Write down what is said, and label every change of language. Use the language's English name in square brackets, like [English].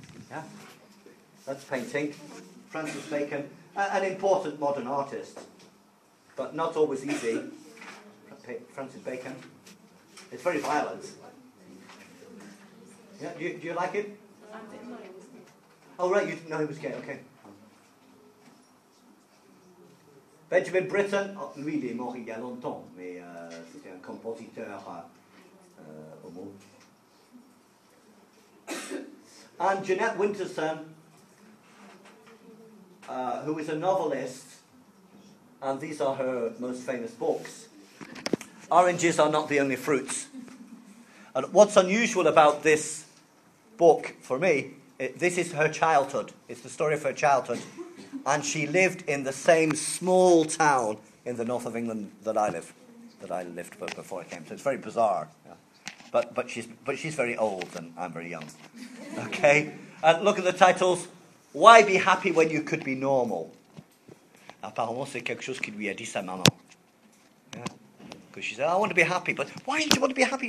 [English] Yeah, that's painting. Francis Bacon, an important modern artist, but not always easy. Francis Bacon. It's very violent. Yeah, do you like it? Oh, right, you didn't know he was gay, okay. [French] Benjamin Britten, lui, il est mort il y a longtemps, mais c'était un compositeur au monde. [English] And Jeanette Winterson, who is a novelist, and these are her most famous books. Oranges are not the only fruits. And what's unusual about this book for me, this is her childhood. It's the story of her childhood. And she lived in the same small town in the north of England that I live, that I lived before I came. So it's very bizarre. Yeah. But she's very old and I'm very young. Okay? And look at the titles. Why be happy when you could be normal? [French] Apparemment, c'est quelque chose qui lui a dit sa maman. [English] Because she said, I want to be happy. But why do you want to be happy?